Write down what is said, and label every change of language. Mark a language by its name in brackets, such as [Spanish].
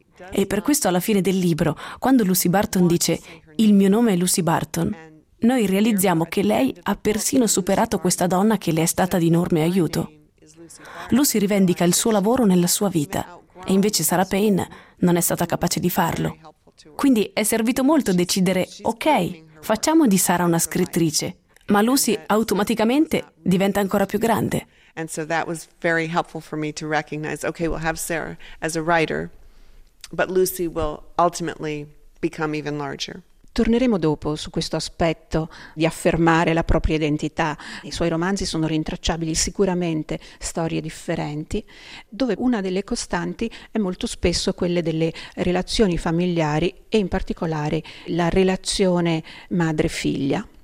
[Italian] E per questo alla fine del libro, quando Lucy Barton dice «Il mio nome è Lucy Barton», noi realizziamo che lei ha persino superato questa donna che le è stata di enorme aiuto. Lucy rivendica il suo lavoro nella sua vita e invece Sarah Payne non è stata capace di farlo. Quindi è servito molto decidere, ok, facciamo di Sarah una scrittrice, ma Lucy automaticamente diventa ancora più grande. [English] And so that was very helpful for me to recognize, okay, we'll have Sarah as a writer, but Lucy will ultimately become even larger. [Italian] Torneremo dopo su questo aspetto di affermare la propria identità. I suoi romanzi sono rintracciabili sicuramente storie differenti, dove una delle costanti è molto spesso quella delle relazioni familiari e in particolare la relazione madre-figlia.